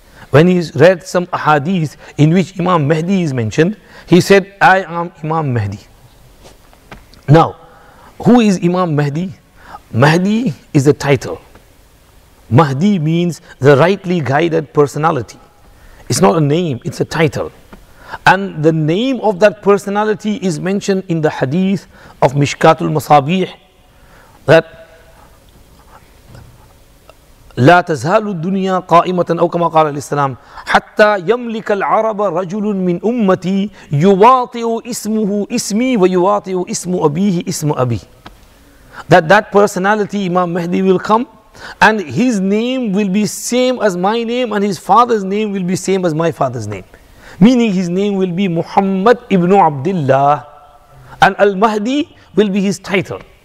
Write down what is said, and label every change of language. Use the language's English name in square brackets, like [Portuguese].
[English] When he read some ahadith in which Imam Mahdi is mentioned, he said, "I am Imam Mahdi." Now, who is Imam Mahdi? Mahdi is a title. Mahdi means the rightly guided personality. It's not a name, it's a title. And the name of that personality is mentioned in the hadith of Mishkatul Masabih, that [Arabic] لا تزال الدنيا قائمة أو كما قال الإسلام حتى يملك العرب رجل من أمتي يواطئ اسمه اسمي ويواطئ اسم أبيه اسم أبي. [English] That personality Imam Mahdi will come, and his name will be same as my name, and his father's name will be same as my father's name. Meaning his name will be Muhammad ibn Abdullah, and Al-Mahdi will be his title.